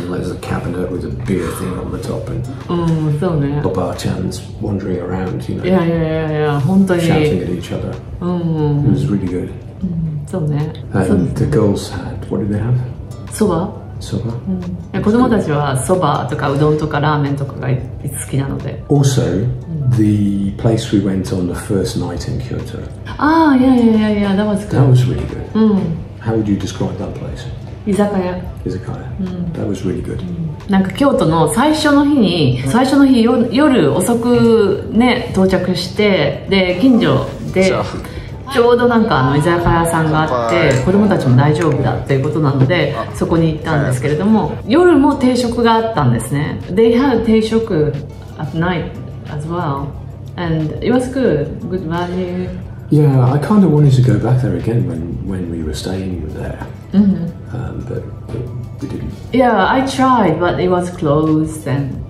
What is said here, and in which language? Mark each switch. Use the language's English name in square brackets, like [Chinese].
[English] And there's a cabinet with a beer thing on the top. And Baba-chan's wandering around, you know. Yeah. Shouting at each other. It was really good. And the girls had, what did they have? Soba. [Japanese] 子供たちはそばとかうどんとかラーメンとかが好きなので。 [English] Also, the place we went on the first night in Kyoto. Ah, yeah. That was good. That was really good. How would you describe that place? [Japanese] 居酒屋。 [English] That was really good. [Japanese] なんか京都の最初の日に、最初の日夜遅くね到着して、で近所で。ちょうどなんかあの居酒屋さんがあって子供たちも大丈夫だっていうことなのでそこに行ったんですけれども夜も定食があったんですね。 [English] They had 定食 at night as well and it was good value. Yeah, I kind of wanted to go back there again when we were staying there、but we didn't. Yeah, I tried but it was closed and